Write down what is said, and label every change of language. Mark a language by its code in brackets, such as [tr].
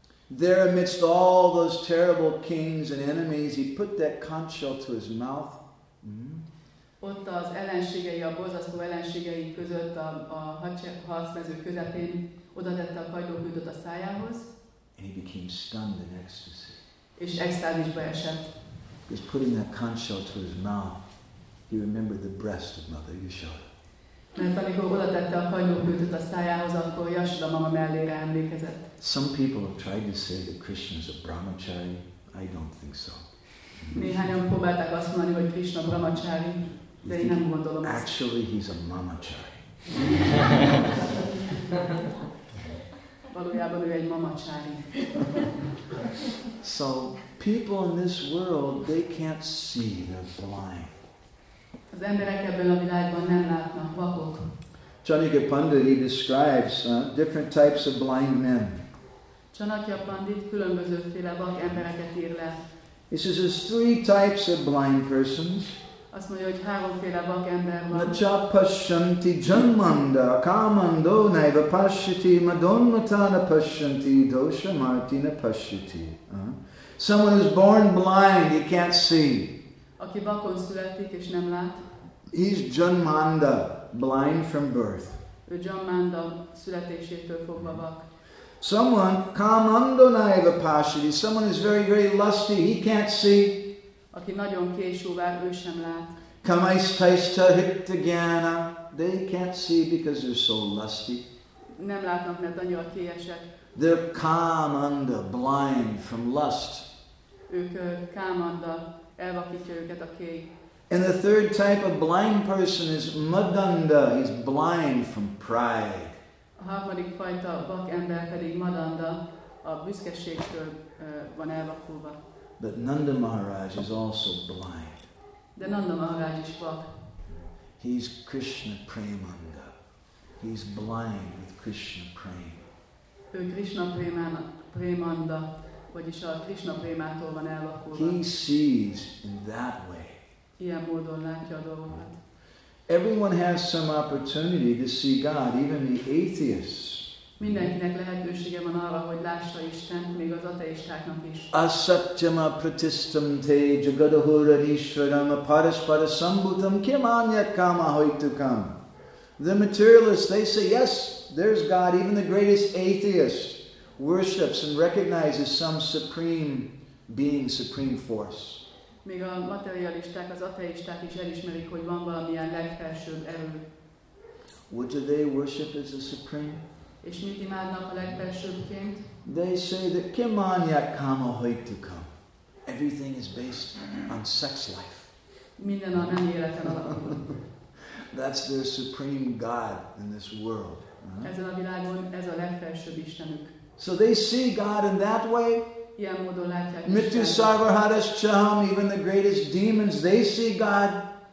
[en] There amidst all those terrible kings and enemies, he put that conch shell to his mouth. [hu] Ott az ellenségei, a borzasztó ellenségei között a harcmező közepén oda tette a kagylókültöt a szájához. [en] And he became stunned in ecstasy. [hu] És extázisba esett. [en] He's putting that conch shell to his mouth. He remembered the breast of Mother Yashoda. [hu] Mert amikor oda tette a kagylókültöt a szájához, akkor Yashoda mama mellére emlékezett. [en] Some people have tried to say that Krishna is a brahmachari. I don't think so. [hu] Néhányan próbálták azt mondani, hogy Krishna brahmachari. De én nem gondolom ezt. [en] Actually, he's a mamachari. [hu] Valójában ő egy mamachari. [en] So, people in this world, they can't see, they're blind. [hu] Az emberek ebben a világban nem látnak, vakok. [en] Chanakya Pandit, he describes different types of blind men. [hu] Chanakya Pandit különbözőféle vak embereket ír le. [en] He says there's three types of blind persons. [hu] Azt mondja, hogy háromféle vak ember van. [sa] Nacha pashyanti janmanda kamando naiva pashyati madonmatana pashyanti dosha martina pashyati. [en] Someone who's born blind, he can't see. [hu] Aki vakon születik és nem lát. [en] He's janmanda, blind from birth. [hu] Ő janmanda, születésétől fogva vak. [en] Someone [sa] kamando naiva pashyati, [en] someone is very, very lusty, he can't see. [hu] Aki nagyon késővár, ő sem lát. [sa] Kamaisthaista hittagyana, [en] they can't see because they're so lusty. [hu] Nem látnak, mert annyira kéjesek. [en] They're kamanda, blind from lust. [hu] Ők kamanda, elvakítja őket a kéj. [en] And the third type of blind person is madanda, he's blind from pride. [hu] A harmadik fajta vak ember pedig madanda, a büszkeségtől van elvakulva. [en] But Nanda Maharaj is also blind. [hu] De Nanda Maharaj is vak. [en] He's Krishna Premanda. He's blind with Krishna Prem. [hu] Ő Krishna Premanda, vagyis a Krishna Premától van elvakulva. [en] He sees in that way. [hu] Ilyen módon látja a dolgokat. [en] Everyone has some opportunity to see God, even the atheists. [hu] Mindenkinek lehetősége van arra, hogy lássa Istent, még az ateistáknak is. [sa] Asatyam apratistam te jagadahura nishvaram aparaspara sambhutam kim anyat kama hoitukam. [en] The materialists, they say, yes, there's God. Even the greatest atheist worships and recognizes some supreme being, supreme force. [hu] Még a materialisták, az ateisták is elismerik, hogy van valamilyen legfelsőbb erő. [en] What do they worship as a supreme? [hu] És mit imádnak a legbelsőbbként? [en] They say that [sa] kimanya kama hoitukam. [en] Everything is based on sex life. [hu] Minden a nemi életen alapul. [en] That's their supreme god in this world. [hu] Ezen a világon ez a legfelsőbb istenük. [en] So they see God in that way. [hu] Ilyen módon látják. [sa] Mithya sarvaharas chaham, [en] even the greatest demons, they see God.